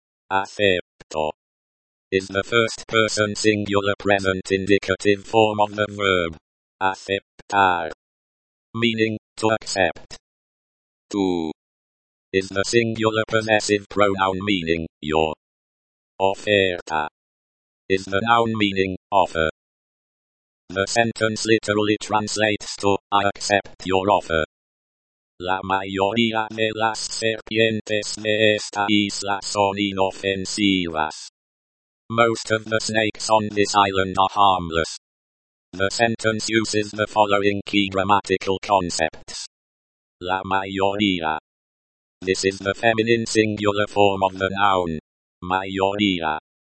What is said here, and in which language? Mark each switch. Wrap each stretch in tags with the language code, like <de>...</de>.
<en>Acepto is the first person singular present indicative form of the verb aceptar, meaning to accept. Tu is the singular possessive pronoun meaning your. Oferta is the noun meaning offer. The sentence literally translates to I accept your offer.</en> <es>La mayoría de las serpientes de esta isla son inofensivas.</es> <en>Most of the snakes on this island are harmless. The sentence uses the following key grammatical concepts.</en> <es>La mayoría.</es> <en>This is the feminine singular form of the noun. Mayoría.</en>